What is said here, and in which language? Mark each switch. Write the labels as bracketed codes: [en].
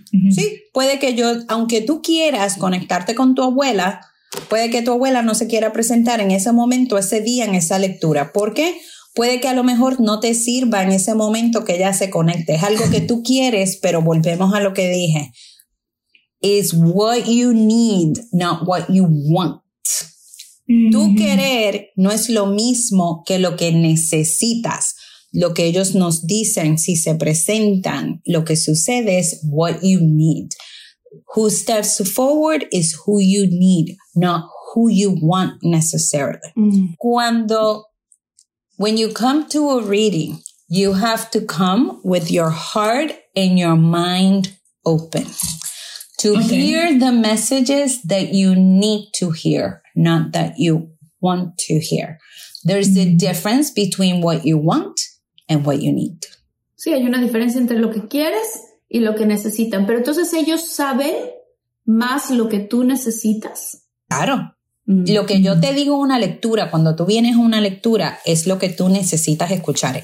[es] Sí, puede que yo, aunque tú quieras conectarte con tu abuela, puede que tu abuela no se quiera presentar en ese momento, ese día, en esa lectura. ¿Por qué? Puede que a lo mejor no te sirva en ese momento que ella se conecte. Es algo que tú quieres, pero volvemos a lo que dije. [en] It's what you need, not what you want. [es] Tu querer no es lo mismo que lo que necesitas. Lo que ellos nos dicen, si se presentan, lo que sucede es [en] what you need. Who steps forward is who you need, not who you want necessarily. [es] Cuando, [en] when you come to a reading, you have to come with your heart and your mind open. To hear the messages that you need to hear, not that you want to hear. There's a difference between what you want and what you need. [es] Sí, hay una diferencia entre lo que quieres y lo que necesitan. Pero entonces ellos saben más lo que tú necesitas. Claro. Lo que yo te digo una lectura, cuando tú vienes a una lectura, es lo que tú necesitas escuchar.